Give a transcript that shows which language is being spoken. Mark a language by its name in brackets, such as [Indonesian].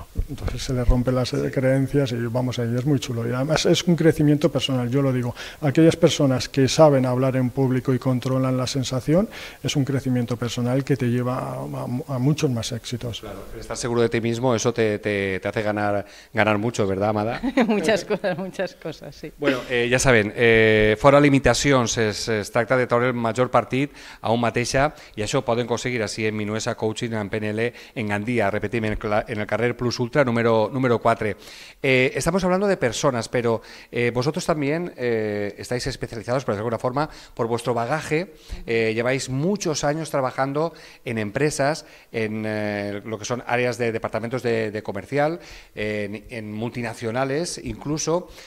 [Spanish] Entonces se le rompen las creencias y vamos ahí. Es muy chulo. Y además es un crecimiento personal, yo lo digo. Aquellas personas que saben hablar en público y controlan la sensación, es un crecimiento personal que te lleva a muchos más éxitos. Claro, estar seguro de ti mismo, eso te hace ganar mucho, ¿verdad, Amada? muchas cosas, sí. Bueno, ya sabes. [Catalan] Fora limitacions, es tracta de treure el major partit a un mateixa i això ho poden aconseguir així en Minuesa Coaching en PNL en Gandia, repetim, en el carrer Plus Ultra número 4. [Spanish] Estamos hablando de personas, pero vosotros también estáis especializados, por alguna forma, por vuestro bagaje. Lleváis muchos años trabajando en empresas, lo que son áreas de departamentos de comercial, en multinacionales incluso.